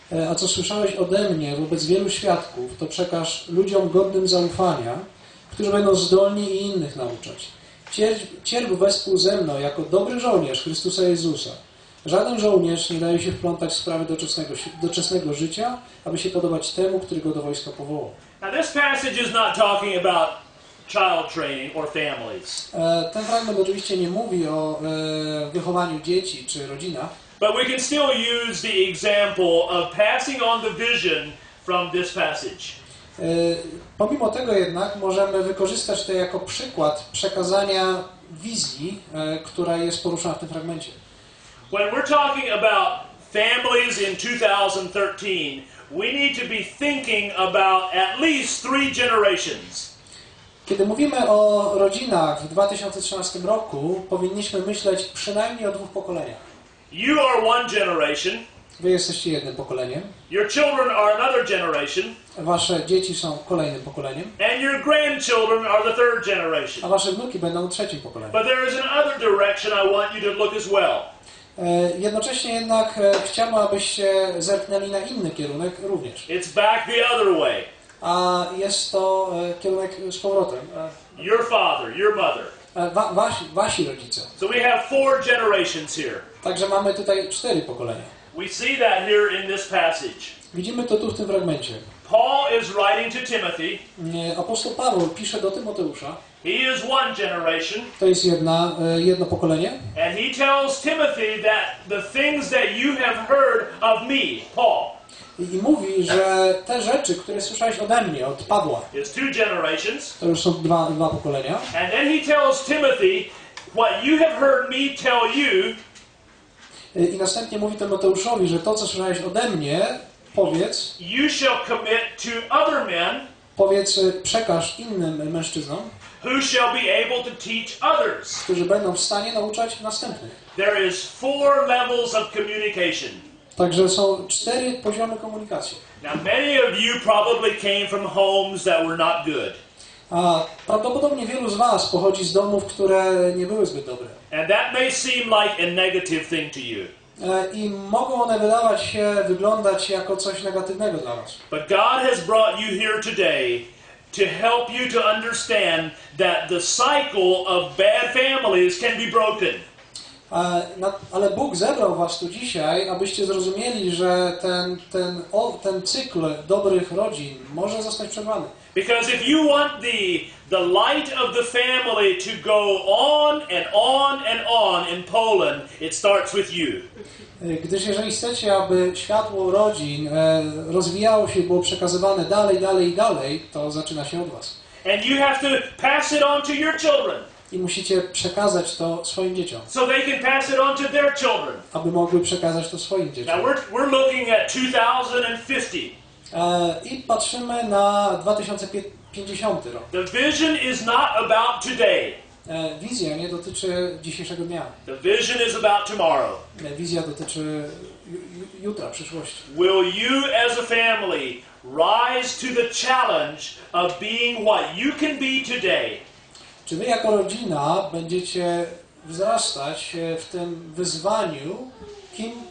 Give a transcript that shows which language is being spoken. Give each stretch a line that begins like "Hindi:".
Polish: a co słyszałeś ode mnie wobec wielu świadków, to przekaż ludziom godnym zaufania, którzy będą zdolni i innych nauczać. Cierp wespół ze mną jako dobry żołnierz Chrystusa Jezusa. Żaden żołnierz nie daje się wplątać w sprawy doczesnego życia, aby się podobać temu, który go do wojska powołał.
English: Now this passage is not talking about child training or families.
Polish: Ten fragment oczywiście nie mówi o wychowaniu dzieci czy rodzinach.
English: But we can still use the example of passing on the vision from this passage.
Polish: Pomimo tego jednak możemy wykorzystać to jako przykład przekazania wizji, która jest poruszona w tym fragmencie.
English: When we're talking about families in 2013, we need to be thinking about at least three generations.
Polish: Kiedy mówimy o rodzinach w 2013 roku, powinniśmy myśleć przynajmniej o dwóch pokoleniach.
English: You are one generation.
Polish: Wy jesteście jednym pokoleniem.
English: Your children are another generation.
Polish: Wasze dzieci są kolejnym pokoleniem.
English: And your grandchildren are the third generation.
Polish: A wasze wnuki będą trzecim pokoleniem.
English: But there is another direction I want you to look as well.
Polish: Jednocześnie jednak chciałbym, abyście zerknęli na inny kierunek również.
English: It's back the other way.
Polish: A jest to kierunek z powrotem.
English: Your father, your mother.
Polish: Wasi rodzice.
English: So we have four generations here.
Polish: Także mamy tutaj cztery pokolenia.
English: We see that here in this passage.
Polish: Widzimy to tu w tym fragmencie.
English: Paul is writing to Timothy.
Polish: Apostoł Paweł pisze do Tymoteusza.
English: He is one generation.
Polish: To jest jedno pokolenie.
English: And he tells Timothy that the things that you have heard of me, Paul.
Polish: I mówi, że te rzeczy, które słyszałeś ode mnie, od Pawła,
English: it's two generations.
Polish: To już są dwa pokolenia.
English: And then he tells Timothy what you have heard me tell you.
Polish: I następnie mówi Tymoteuszowi, że to, co słyszałeś ode mnie, powiedz.
English: You shall commit to other men.
Polish: Powiedz, przekaż innym mężczyznom.
English: Who shall be able to teach others?
Polish: Którzy będą w stanie nauczać następnych.
English: There is four levels of communication.
Polish: Także są cztery poziomy komunikacji.
English: Now many of you probably came from homes that were not good.
Polish: A prawdopodobnie wielu z was pochodzi z domów, które nie były zbyt dobre.
English: And that may seem like a negative thing to you.
Polish: I mogą one wyglądać jako coś negatywnego dla was.
English: But God has brought you here today to help you to understand that the cycle of bad families can be broken.
Polish: Ale Bóg zebrał was tu dzisiaj, abyście zrozumieli, że ten cykl dobrych rodzin może zostać przerwany.
English: Because if you want the light of the family to go on and on and on in Poland, it starts with you.
Polish: Gdyż jeżeli chcecie, aby światło rodzin rozwijało się, było przekazywane dalej, dalej i dalej, to zaczyna się od was.
English: And you have to pass it on to your children.
Polish: I musicie przekazać to swoim dzieciom.
English: So they can pass it on to their children.
Polish: Aby mogły przekazać to swoim dzieciom.
English: Now we're looking at 2050.
Polish: I patrzymy na 2050 rok.
English: The vision is not about today.
Polish: Wizja nie dotyczy dzisiejszego dnia.
English: The vision is about tomorrow.
Polish: Wizja dotyczy jutra, przyszłości.
English: Will you as a family rise to the challenge of being what you can be today?
Polish: Czy wy jako rodzina będziecie wzrastać w tym wyzwaniu, kim...